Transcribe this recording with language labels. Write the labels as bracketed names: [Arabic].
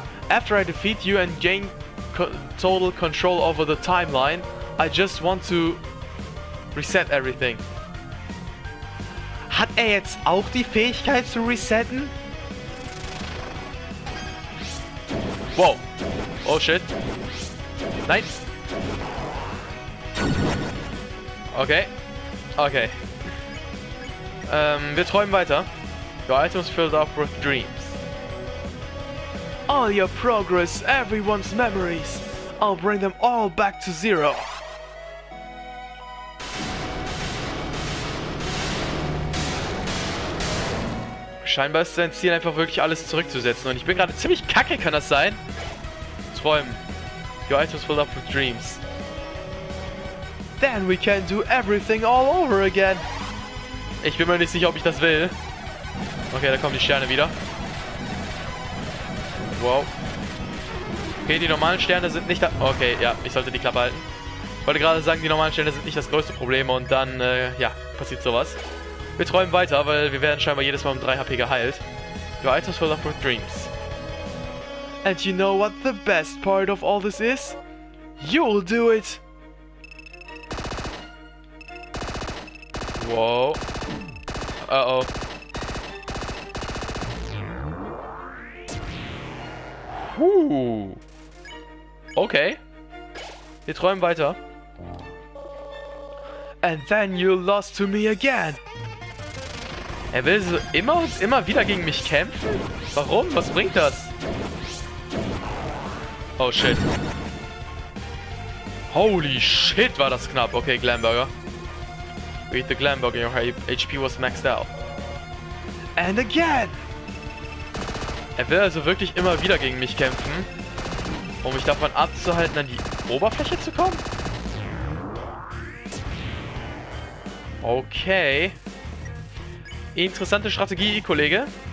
[English] After I defeat you and gain total control over the timeline, I just want to reset everything. [German] Hat er jetzt auch die Fähigkeit zu resetten? [English] Wow. Oh shit. [German] Nein. [English] Okay. Okay. [German] Wir träumen weiter. [English] Your items filled up with dreams. All your progress, everyone's memories. I'll bring them all back to zero. [German] Scheinbar ist sein Ziel einfach wirklich alles zurückzusetzen. Und ich bin gerade ziemlich kacke, kann das sein? Träumen. [English] Your items filled up with dreams. Then we can do everything all over again. [German] Ich bin mir nicht sicher, ob ich das will. Okay, da kommen die Sterne wieder. Wow. Okay, die normalen Sterne sind nicht da. Okay, ja, ich sollte die Klappe halten. Wollte gerade sagen, die normalen Sterne sind nicht das größte Problem und dann, ja, passiert sowas. Wir träumen weiter, weil wir werden scheinbar jedes Mal um 3 HP geheilt. [English] Your items filled up with dreams. And you know what the best part of all this is? You'll do it! Wow. Uh-oh. [German] Huh. Okay. Wir träumen weiter. [English] And then you lost to me again. [German] Er will so immer und immer wieder gegen mich kämpfen? Warum? Was bringt das? [English] Oh shit. Holy shit, [German] war das knapp. Okay, Glamburger. [English] Beat the Glamburger, your HP was maxed out. And again! [German] Er will also wirklich immer wieder gegen mich kämpfen, um mich davon abzuhalten, an die Oberfläche zu kommen? Okay. Interessante Strategie, Kollege.